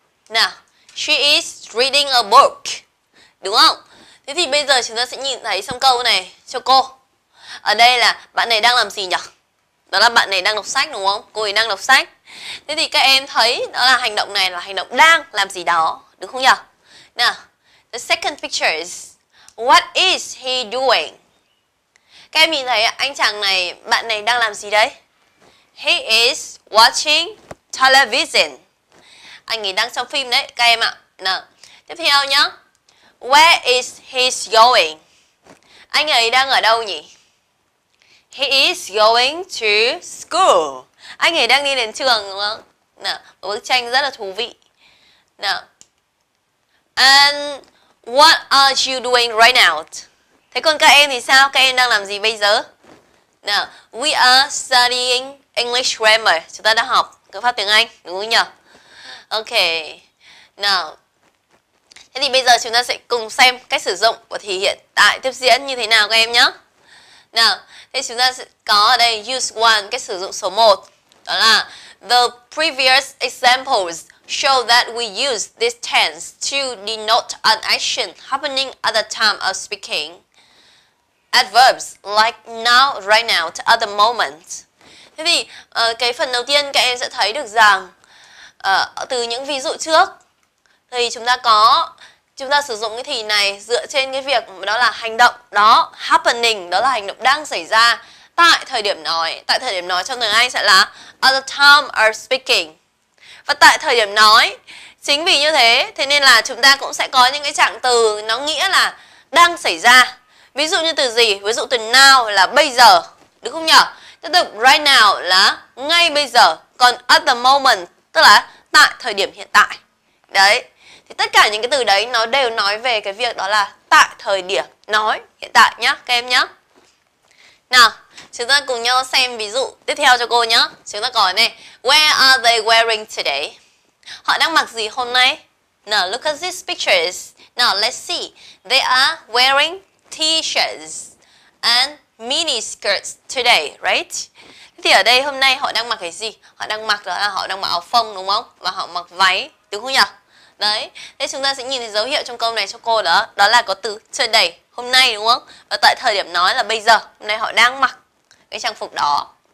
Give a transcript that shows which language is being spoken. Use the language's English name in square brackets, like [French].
[English] Now, she is reading a book. [Vietnamese] Đúng không? Thế thì bây giờ chúng ta sẽ nhìn thấy xong câu này cho cô. Ở đây là bạn này đang làm gì nhỉ? Đó là bạn này đang đọc sách đúng không? Cô ấy đang đọc sách. Thế thì các em thấy đó là hành động này là hành động đang làm gì đó. Đúng không nhỉ? [English] Now, the second picture is what is he doing? [Vietnamese] Các em nhìn thấy anh chàng này, bạn này đang làm gì đấy? [English] He is watching television. [Vietnamese] Anh ấy đang xem phim đấy, các em ạ. Nào, tiếp theo nhá. [English] Where is he going? [Vietnamese] Anh ấy đang ở đâu nhỉ? [English] He is going to school. [Vietnamese] Anh ấy đang đi đến trường đúng không? Nào, một bức tranh rất là thú vị. Nào. [English] And what are you doing right now? [Vietnamese] Thế còn các em thì sao? Các em đang làm gì bây giờ? [English] Now, we are studying English grammar. [Vietnamese] Chúng ta đang học ngữ pháp tiếng Anh, đúng không nhỉ? Ok. Now, thế thì bây giờ chúng ta sẽ cùng xem cách sử dụng của thì hiện tại tiếp diễn như thế nào các em nhé. Now, thế chúng ta sẽ có ở đây use one, cách sử dụng số 1. [English] Đó là the previous examples show that we use this tense to denote an action happening at the time of speaking. Adverbs like now, right now, at the moment. [Vietnamese] Thế thì cái phần đầu tiên các em sẽ thấy được rằng từ những ví dụ trước thì chúng ta sử dụng cái thì này dựa trên cái việc đó là hành động đó, happening, đó là hành động đang xảy ra tại thời điểm nói. Tại thời điểm nói trong tiếng Anh sẽ là [English] at the time of speaking. [Vietnamese] Và tại thời điểm nói, chính vì như thế, thế nên là chúng ta cũng sẽ có những cái trạng từ nó nghĩa là đang xảy ra. Ví dụ như từ gì? Ví dụ từ now là bây giờ, đúng không nhở? Tiếp tục right now là ngay bây giờ, còn at the moment tức là tại thời điểm hiện tại. Đấy, thì tất cả những cái từ đấy nó đều nói về cái việc đó là tại thời điểm nói hiện tại nhá, các em nhá. Nào, chúng ta cùng nhau xem ví dụ tiếp theo cho cô nhá. Chúng ta có này, [English] where are they wearing today? [Vietnamese] Họ đang mặc gì hôm nay? [English] Now, look at these pictures. Now, let's see. They are wearing t-shirts and mini skirts today, right? [Vietnamese] Thì ở đây hôm nay họ đang mặc cái gì? Họ đang mặc đó là họ đang mặc áo phông đúng không? Và họ mặc váy, đúng không nhỉ? Đấy, thế chúng ta sẽ nhìn thấy dấu hiệu trong câu này cho cô đó. Đó là có từ today, hôm nay đúng không? Và tại thời điểm nói là bây giờ, hôm nay họ đang mặc cái trang phục đó.